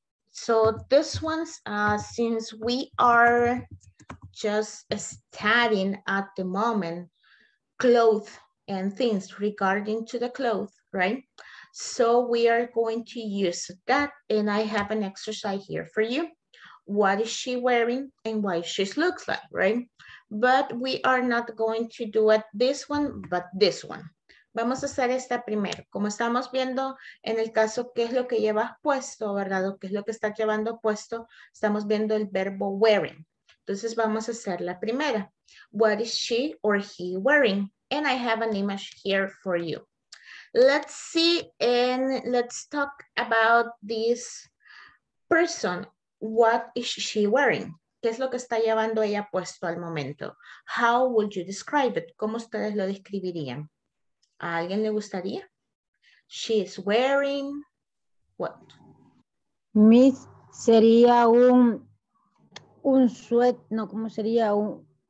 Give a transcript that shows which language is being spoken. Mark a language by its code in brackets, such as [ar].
[en] So this one's, since we are just studying at the moment, clothes and things regarding to the clothes, right? So we are going to use that. And I have an exercise here for you. What is she wearing and what she looks like, right? But we are not going to do it this one, but this one. [es] Vamos a hacer esta primero. Como estamos viendo en el caso, ¿qué es lo que llevas puesto, verdad? ¿O qué es lo que estás llevando puesto? Estamos viendo el verbo wearing. Entonces vamos a hacer la primera. [en] What is she or he wearing? And I have an image here for you. Let's see and let's talk about this person. What is she wearing? [es] ¿Qué es lo que está llevando ella puesto al momento? [en] How would you describe it? [es] ¿Cómo ustedes lo describirían? ¿A alguien le gustaría? [en] She is wearing what? [es] Miss, sería un suéter, no, ¿cómo sería un?